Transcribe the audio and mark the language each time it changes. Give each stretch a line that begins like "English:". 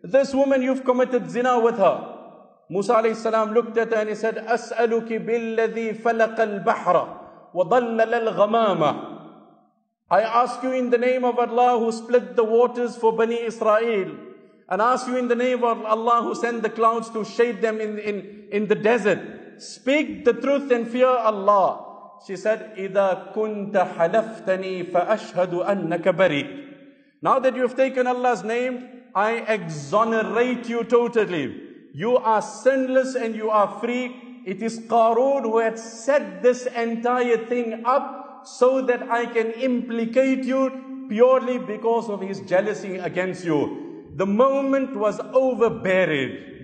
English: This woman, you've committed zina with her. Musa alayhi salam looked at her and he said,
Arabic: أَسْأَلُكِ بِالَّذِي فَلَقَ الْبَحْرَ وَضَلَّلَ الْغَمَامَ.
English: I ask you in the name of Allah who split the waters for Bani Israel. And ask you in the name of Allah who sent the clouds to shade them in the desert. Speak the truth and fear Allah. She said,
Arabic: إِذَا كُنْتَ حَلَفْتَنِي فَأَشْهَدُ أَنَّكَ بَرِيءٌ.
English: Now that you've taken Allah's name, I exonerate you totally. You are sinless and you are free. It is Qarun who had set this entire thing up so that I can implicate you purely because of his jealousy against you. The moment was overbearing.